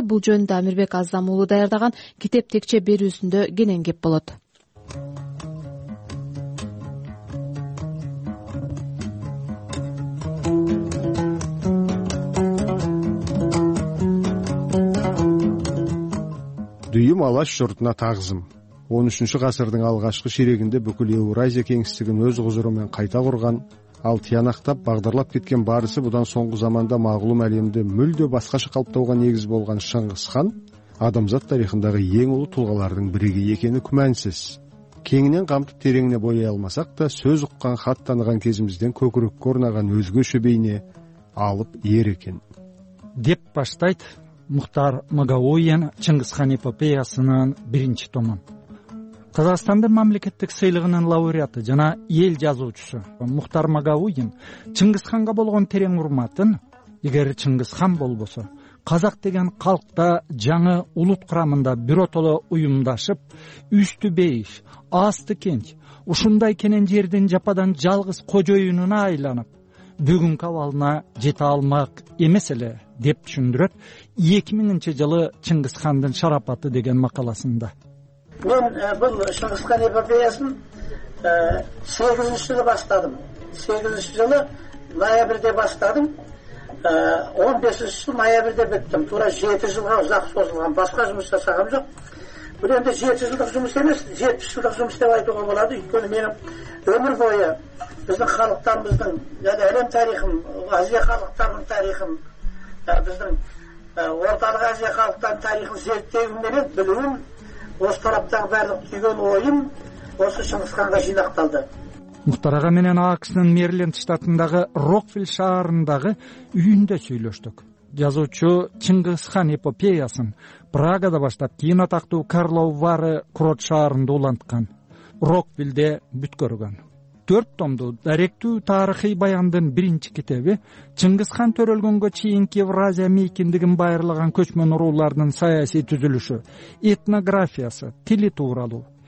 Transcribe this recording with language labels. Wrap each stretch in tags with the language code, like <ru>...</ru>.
<ky>Бул жөнүндө Амирбек Азам уулу даярдаган китеп текче берүүсүндө кенен кеп болот. Дүйүм алаш жортуна тагызым.</ky> <kk>13-шү ғасырдың алғашқы ширегінде бүкіл Еуразия кеңістігін өз құзырымен қайта құрған, ал тиянақтап бағдарлап кеткен барысы бұдан соңғы заманда мағлұм әлемде мүлде басқаша қалыптауға негіз болған Шыңғыс хан, адамзат тарихындағы ең ұлы тұлғалардың біреге екені күмәнсіз. Кеңінен қамтып тереңіне бойлай алмасақ та, сөз ұққан хат таныған кезімізден көкірекке орнаған өзгеше бейне алып ер екен.</kk> <ky>Деп баштайды Мухтар Магауиен Чыңғыс хан эпопеясынын биринчи томун. Казакстандын мамлекеттик сыйлыгынын лауреаты жана эл жазуучусу Мухтар Магауиен Чыңгыз ханга болгон терең урматын, эгер Чыңгыз хан болбосо, казак деген калкта жаңы улут курамында биротоло уюмдашып, үстү бейиш, асты кенч, ушундай кенен жердин жападан жалгыз кожоюнуна айланып, бүгүнкү абалына жете алмак эмес эле деп түшүндүрөт 2000-чи жылы Чыңгыз хандын шарапаты деген макаласында.</ky> <kk>Мен бұл Шыңғыс хан эпопеясын 8-ші жылы бастадым. 8-ші жылы ноябрьде бастадым. 15-ші жылы ноябрьде біттім. Тура 7 жылға ұзақ созылған. Басқа жұмыс жасағам жоқ. Бұл енді 7 жылдық жұмыс емес, 70 жылдық жұмыс деп айтуға болады. Өйткені менің өмір бойы біздің халықтарымыздың, яғни әлем тарихын, Азия халықтарының тарихын, біздің Орталық Азия халықтарының тарихын зерттеуім менен білуім осы тараптағы барлық түйген ойым осы Шыңғыс ханға жинақталды.</kk> <ky>Мухтар аға менен АКШ-тын Мэриленд штатындағы Рокфилл шаарындағы үйінде сөйлештік. Жазуучу Чыңгыз хан эпопеясын Прагада баштап, кийин атактуу Карлоу Вары курорт шаарында уланткан, Рокфиллде бүткөргөн. 4 томдуу даректүү тарыхый баяндын биринчи китеби Чыңгыз хан төрөлгөнгө чейинки Евразия мейкиндигин байырлаган көчмөн уруулардын саясий түзүлүшү, этнографиясы, тили тууралуу.</ky>